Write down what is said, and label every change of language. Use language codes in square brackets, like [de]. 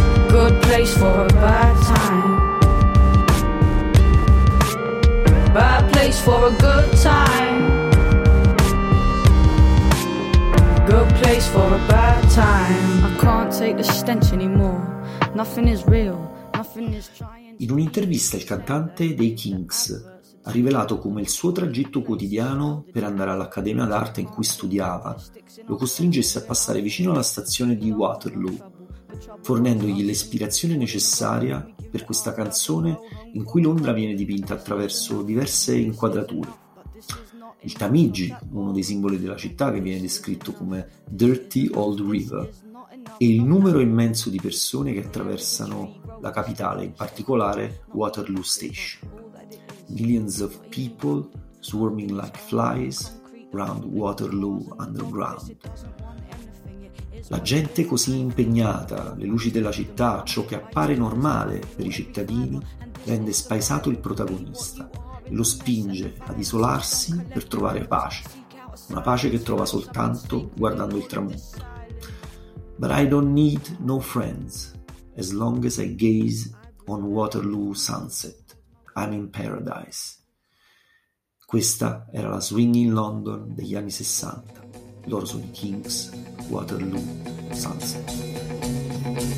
[en] Good place for a bad time. Bad place for a good time. Good place for a bad time. I can't take the stench anymore. Nothing is real. Nothing is trying. [it] In un'intervista il cantante dei Kinks ha rivelato come il suo tragitto quotidiano per andare all'accademia d'arte in cui studiava lo costringesse a passare vicino alla stazione di Waterloo, fornendogli l'ispirazione necessaria per questa canzone in cui Londra viene dipinta attraverso diverse inquadrature. Il Tamigi, uno dei simboli della città che viene descritto come [en] Dirty Old River, [it] e il numero immenso di persone che attraversano la capitale, in particolare Waterloo Station. [en] Millions of people swarming like flies round Waterloo Underground. [it] La gente così impegnata, le luci della città, ciò che appare normale per i cittadini, rende spaesato il protagonista e lo spinge ad isolarsi per trovare pace, una pace che trova soltanto guardando il tramonto. [en] But I don't need no friends as long as I gaze on Waterloo sunset. I'm in paradise. [it] Questa era la Swing in London degli anni 60. Loro sono i Kinks, Waterloo Sunset.